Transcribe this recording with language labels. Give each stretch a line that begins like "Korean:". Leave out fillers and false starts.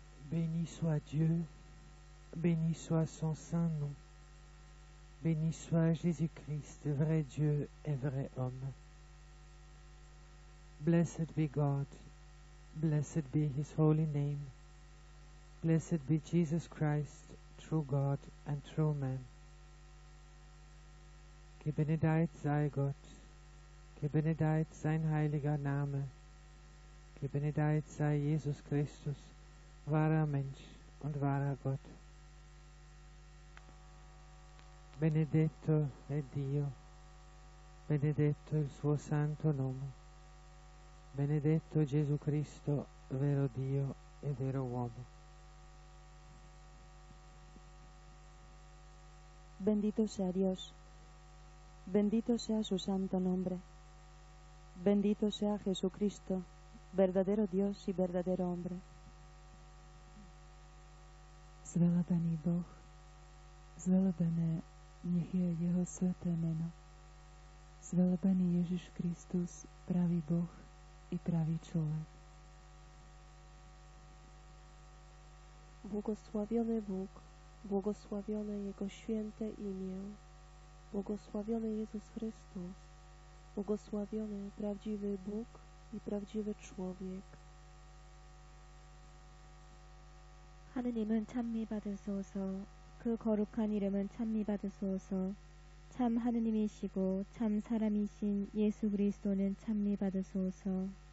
French: Béni soit Dieu, béni soit son saint nom, béni soit Jésus-Christ, vrai Dieu et vrai homme.
English: Blessed be God, blessed be his holy name, blessed be Jesus Christ, true God and true man.
German: Gebenedeit sei Gott, gebenedeit sein heiliger Name, gebenedeit sei Jesus Christus, wahrer Mensch und wahrer Gott.
Italian: Benedetto è Dio, benedetto il suo santo nome, benedetto Gesù Cristo, vero Dio e vero uomo.
Spanish: Bendito sea Dios, bendito sea su santo nombre, bendito sea Jesucristo, verdadero Dios y verdadero hombre.
Slovak: Zvelebený Boh, zvelebené nech je Jeho sveté meno. Zvelebený Ježiš Kristus, pravý Boh i pravý človek.
Polish: Błogosławiony Bóg, błogosławione Jego święte imię, błogosławiony Jezus Chrystus, błogosławiony prawdziwy Bóg i prawdziwy człowiek.
Korean: 하느님은 찬미 받으소서, 그 거룩한 이름은 찬미 받으소서, 참 하느님이시고 참 사람이신 예수 그리스도는 찬미 받으소서.